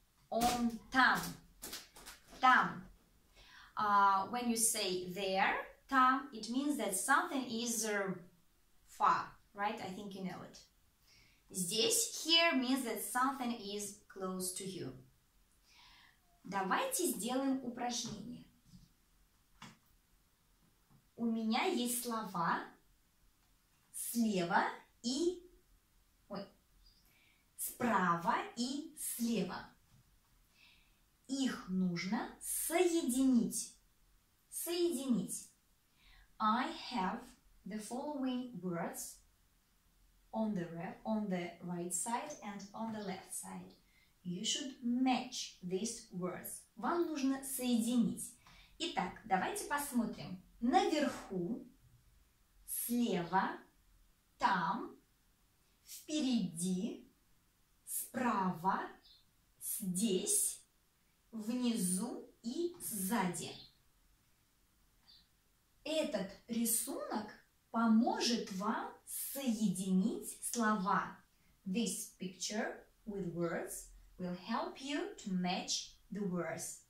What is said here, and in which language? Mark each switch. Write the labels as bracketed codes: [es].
[ru] Он там. Там. [en] When you say there, там, it means that something is far. Right? I think you know it. Здесь, here means that something is far. close to you. [ru] Давайте сделаем упражнение. У меня есть слова слева и... справа и слева. Их нужно соединить. [en] I have the following words on the right side and on the left side. You should match these words. [ru] Вам нужно соединить. Итак, давайте посмотрим. Наверху, слева, там, впереди, справа, здесь, внизу и сзади. Этот рисунок поможет вам соединить слова. [en] This picture with words will help you to match the words.